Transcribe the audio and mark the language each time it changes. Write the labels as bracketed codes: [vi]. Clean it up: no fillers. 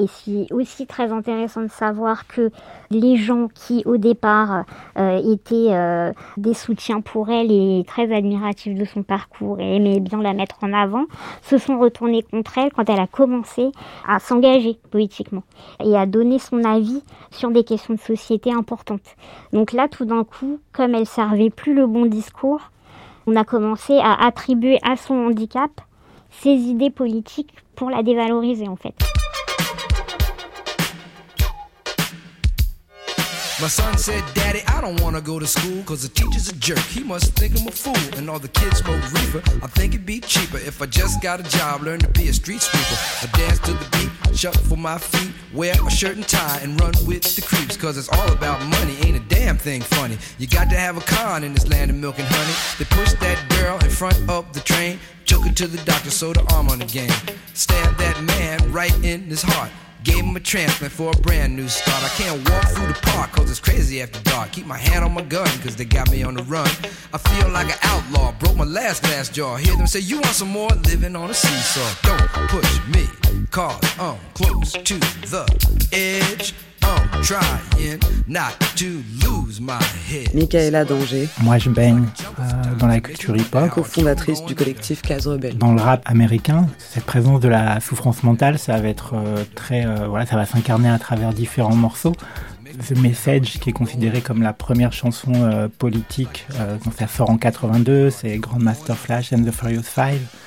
[fr] Et c'est aussi très intéressant de savoir que les gens qui, au départ, étaient des soutiens pour elle et très admiratifs de son parcours et aimaient bien la mettre en avant, se sont retournés contre elle quand elle a commencé à s'engager politiquement et à donner son avis sur des questions de société importantes. Donc là, tout d'un coup, comme elle ne servait plus le bon discours, on a commencé à attribuer à son handicap ses idées politiques pour la dévaloriser, en fait. [en] My son said, Daddy, I don't want to go to school because the teacher's a jerk. He must think I'm a fool and all the kids smoke reefer. I think it'd be cheaper if I just got a job, learn to be a street sweeper. I dance to the beat, shuffle my feet, wear a shirt and tie and run with the creeps because it's all about money, ain't a damn thing funny. You got to have a con in this land of milk and honey. They pushed that girl in front of the train, took her to the doctor, sewed her arm on the game. Stabbed that man right in his heart. Gave him a transplant for a brand new start. I can't walk through the park cause it's crazy after dark. Keep my hand on my gun cause they got me on the run. I feel like an outlaw, broke my last glass jaw. Hear them say, you want some more? Living on a seesaw. Don't push me cause I'm close to the edge. I'm trying not to lose my head. Michaela Danger. [fr] Moi je baigne dans la culture hip-hop. Co-fondatrice du collectif Case Rebelle. Dans le rap américain, cette présence de la souffrance mentale, ça va être ça va s'incarner à travers différents morceaux. The Message, qui est considéré comme la première chanson politique, quand ça sort en 82, c'est Grandmaster Flash and the Furious Five.